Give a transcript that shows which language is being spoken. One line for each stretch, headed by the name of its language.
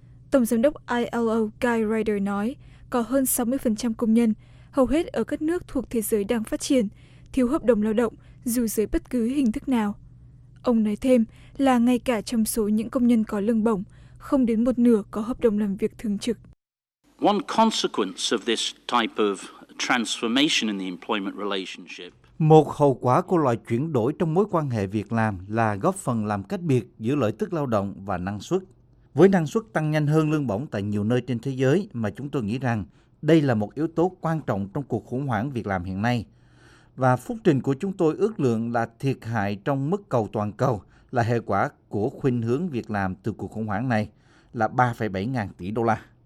Vietnamese: Tổng giám đốc ILO Guy Ryder nói có hơn 60% công nhân, hầu hết ở các nước thuộc thế giới đang phát triển, thiếu hợp đồng lao động dù dưới bất cứ hình thức nào. Ông nói thêm là ngay cả trong số những công nhân có lương bổng, không đến 1/2 có hợp đồng làm việc thường trực.
English: One consequence of this type of transformation in the employment relationship.
Vietnamese: Một hậu quả của loại chuyển đổi trong mối quan hệ việc làm là góp phần làm cách biệt giữa lợi tức lao động và năng suất. Với năng suất tăng nhanh hơn lương bổng tại nhiều nơi trên thế giới mà chúng tôi nghĩ rằng đây là một yếu tố quan trọng trong cuộc khủng hoảng việc làm hiện nay. Và phúc trình của chúng tôi ước lượng là thiệt hại trong mức cầu toàn cầu là hệ quả của khuynh hướng việc làm từ cuộc khủng hoảng này là 3,7 ngàn tỷ đô la.